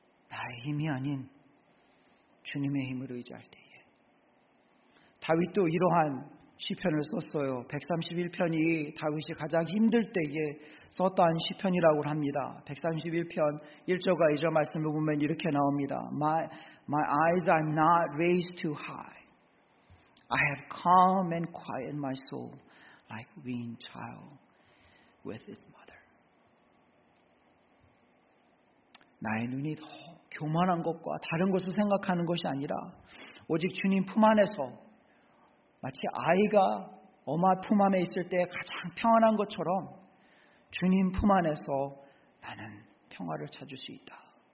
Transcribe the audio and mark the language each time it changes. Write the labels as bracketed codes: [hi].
[ko] 나의 힘이 아닌 주님의 힘을 의지할 때에 다윗도 이러한 시편을 썼어요. 131편이 다윗이 가장 힘들 때에 썼던 시편이라고 합니다. 131편 1절과 2절 말씀을 보면 이렇게 나옵니다. [en] My eyes are not raised too high. I have calm and quiet my soul like a weaned child with its mother. [ko] 나의 눈이 더 교만한 것과 다른 것을 생각하는 것이 아니라 오직 주님 품 안에서 마치 아이가 엄마 품 안에 있을 때 가장 평안한 것처럼 주님 품 안에서 나는 평화를 찾을 수 있다.